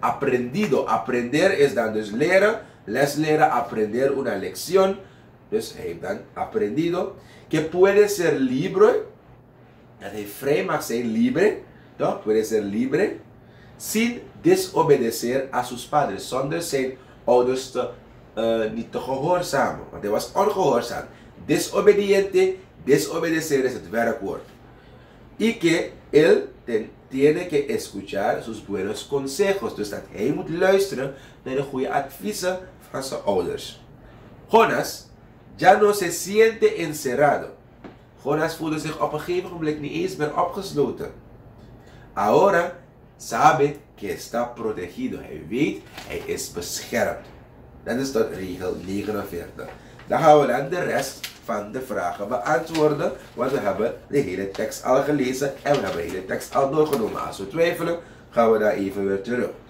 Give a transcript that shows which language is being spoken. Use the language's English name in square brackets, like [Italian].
[Dutch] Aprendido, aprender is dan dus leren, les leren, [Spanish] aprender una lección. [Dutch] Dus hij heeft dan aprendido. [Spanish] Que puede ser libre, [Dutch] dat hij vrij mag zijn, libre, toch? [Spanish] Puede ser libre. Sin desobedecer a sus padres, [Dutch] zonder zijn ouders niet te gehoorzamen. Want hij was ongehoorzaam. Desobediente, desobedecer is het werkwoord. [Spanish] Y que él tiene que escuchar sus buenos consejos. [Dutch] Dus dat hij moet luisteren naar de goede adviezen van zijn ouders. [Spanish] Jonas ya no se siente encerrado. [Dutch] Jonas voelde zich op een gegeven moment niet eens meer opgesloten. [Spanish] Ahora sabe que está protegido. [Dutch] Hij weet, hij is beschermd. Dat is tot regel 49. Dan gaan we dan de rest van de vragen beantwoorden. Want we hebben de hele tekst al gelezen. En we hebben de hele tekst al doorgenomen. Als we twijfelen, gaan we daar even weer terug.